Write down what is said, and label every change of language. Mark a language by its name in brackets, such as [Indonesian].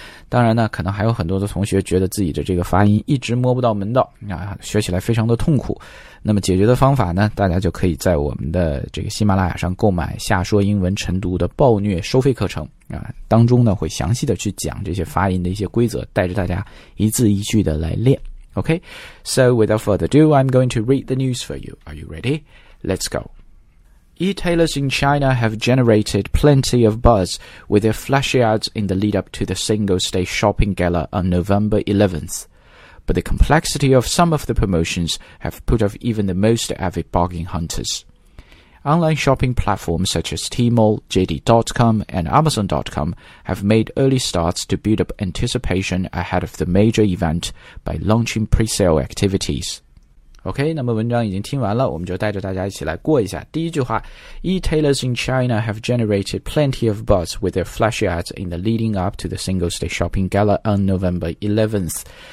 [Chinese] 当然呢，可能还有很多的同学觉得自己的这个发音一直摸不到门道啊，学起来非常的痛苦。那么解决的方法呢，大家就可以在我们的这个喜马拉雅上购买下说英文晨读的暴虐收费课程啊，当中呢会详细的去讲这些发音的一些规则，带着大家一字一句的来练。 [English] OK, so without further ado, I'm going to read the news for you. Are you ready? Let's go. E-tailers in China have generated plenty of buzz with their flashy ads in the lead-up to the Singles' Day shopping gala on November 11th. But the complexity of some of the promotions have put off even the most avid bargain hunters. Online shopping platforms such as Tmall, JD.com, and Amazon.com have made early starts to build up anticipation ahead of the major event by launching pre-sale activities. [Chinese] OK, 那么文章已经听完了，我们就带着大家一起来过一下。第一句话， [English] E-tailers in China have generated plenty of buzz with their flashy ads in the leading up to the Singles' Day shopping gala on November 11th.